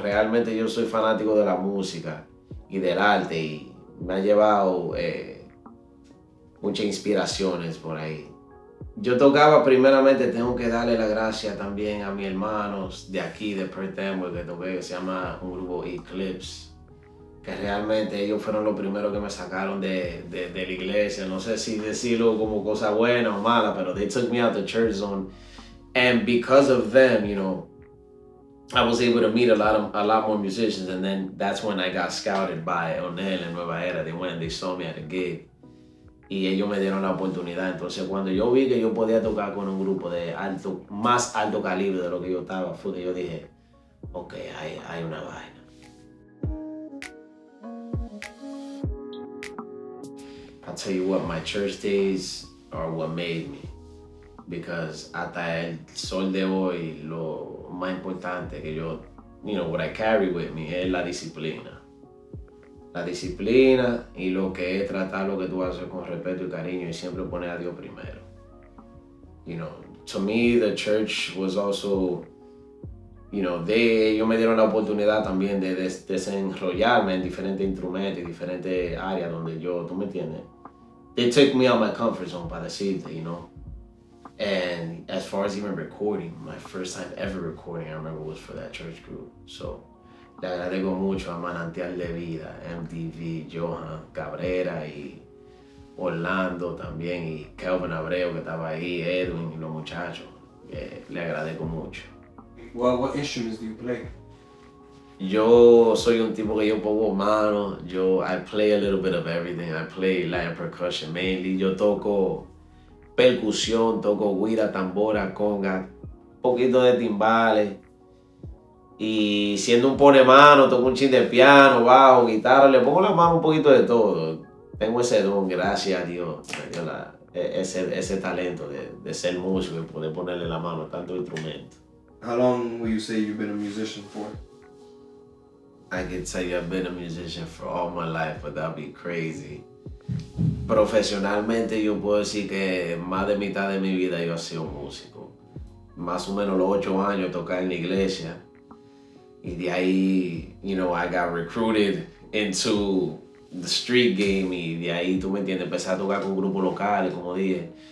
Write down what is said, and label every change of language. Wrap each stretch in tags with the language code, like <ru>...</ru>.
<es>Realmente yo soy fanático de la música y del arte y me ha llevado muchas inspiraciones por ahí. Yo tocaba, primeramente, tengo que darle la gracia también a mis hermanos de aquí, de Perth Amboy, que toqué, que se llama un grupo Eclipse, que realmente ellos fueron los primeros que me sacaron de la iglesia. No sé si decirlo como cosa buena o mala, pero</es> <en>they took me out the church zone. And because of them, you know, I was able to meet a lot more musicians, and then that's when I got scouted by Onel en Nueva Era. They went and they saw me at a gig.</en> <es>Y ellos me dieron la oportunidad. Entonces, cuando yo vi que yo podía tocar con un grupo de alto, más alto calibre de lo que yo estaba, fue que yo dije, ok, hay una vaina. A</es> <en>I'll tell you what, my church days are what made me. Because</en> <es>hasta el sol de hoy, lo más importante que yo,</es> <en>you know, what I carry with me</en> <es>es la disciplina. La disciplina y lo que es tratar lo que tú haces con respeto y cariño y siempre poner a Dios primero.</es> <en>You know, to me, the church was also, you know,</en> <es>ellos me dieron la oportunidad también de desenrollarme en diferentes instrumentos y diferentes áreas donde yo, tú me entiendes.</es> <en>They took me out of my comfort zone,</en> <es>para decirte,</es> <en>you know. And as far as even recording, my first time ever recording, I remember, was for that church group.</en> <es>So, le agradezco mucho a Manantial de Vida, MDV, Johan Cabrera y Orlando también, y Kelvin Abreu que estaba ahí, Edwin y los muchachos. Le agradezco mucho.</es> <en>Well, what instruments do you play?</en> <es>Yo soy un tipo que yo pongo mano.</es> <en>I play a little bit of everything. I play Latin percussion mainly.</en> <es>Yo toco percusión, toco güira, tambora, conga, poquito de timbales. Y siendo un pone mano, toco un ching de piano, bajo, guitarra, le pongo la mano un poquito de todo. Tengo ese don, gracias a Dios, ese talento de ser músico y poder ponerle la mano a tanto instrumento.</es> <en>How long will you say you've been a musician for? I could tell you I've been a musician for all my life, but that'd be crazy.</en> <es>Profesionalmente yo puedo decir que más de mitad de mi vida yo he sido músico. Más o menos los 8 años tocar en la iglesia. Y de ahí,</es> <en>you know, I got recruited into the street game.</en> <es>Y de ahí, tú me entiendes, empecé a tocar con grupos locales, como dije.</es>